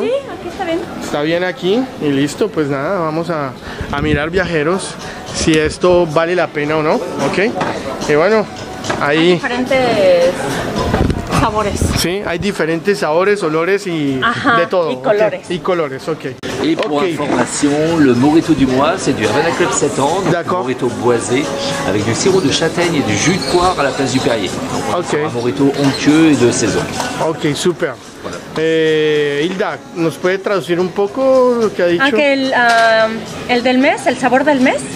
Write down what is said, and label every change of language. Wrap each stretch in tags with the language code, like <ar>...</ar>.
<es>Sí, aquí está bien. Está bien aquí y listo, pues nada, vamos a mirar, viajeros, si esto vale la pena o no, ¿ok? Y bueno, ahí. Hay diferentes sabores. Sí, hay diferentes sabores, olores y de todo. Y colores. Okay. Y colores, ok.</es> <fr>Et pour information, le mojito du mois, c'est du Havana Club 7 ans, donc un mojito boisé avec du sirop de châtaigne et du jus de poire à la place du Perrier. Donc, un mojito onctueux et de saison. Ok, super. Voilà.</fr> <es>Hilda, ¿nos puede traducir un poco lo que ha dicho? Ah, que el del mes, el sabor del mes.</es>